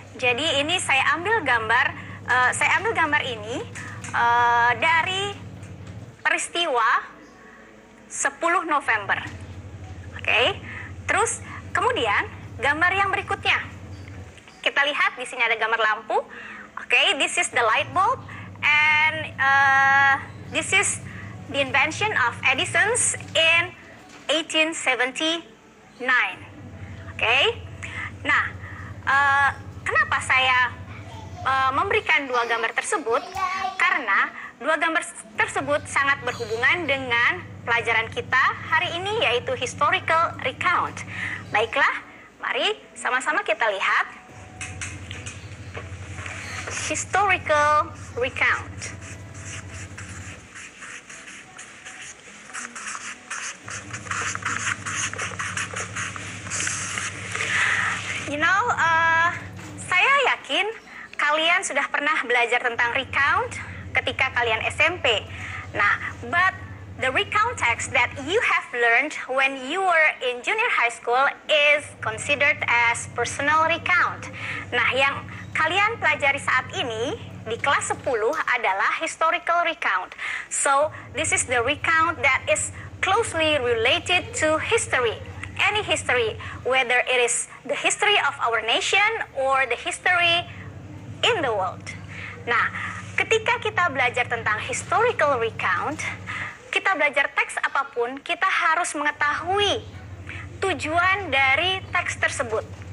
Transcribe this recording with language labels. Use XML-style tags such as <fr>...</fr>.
<id>Jadi ini saya ambil gambar ini dari peristiwa 10 November. Oke. Terus kemudian gambar yang berikutnya. Kita lihat di sini ada gambar lampu.</id> <en>Oke, this is the light bulb and this is the invention of Edison's in 1879.</en> <id>Oke. Nah, kenapa saya memberikan dua gambar tersebut? Karena dua gambar tersebut sangat berhubungan dengan pelajaran kita hari ini, yaitu historical recount. Baiklah, mari sama-sama kita lihat historical recount.</id> <en>You know,</en> <id>saya yakin kalian sudah pernah belajar tentang recount ketika kalian SMP.</id> <en>Nah, but the recount text that you have learned when you were in junior high school is considered as personal recount.</en> <id>Nah, yang kalian pelajari saat ini di kelas 10 adalah historical recount.</id> <en>So, this is the recount that is closely related to history. Any history, whether it is the history of our nation or the history in the world.</en> <id>Nah, ketika kita belajar tentang historical recount, kita belajar teks apapun, kita harus mengetahui tujuan dari teks tersebut.</id>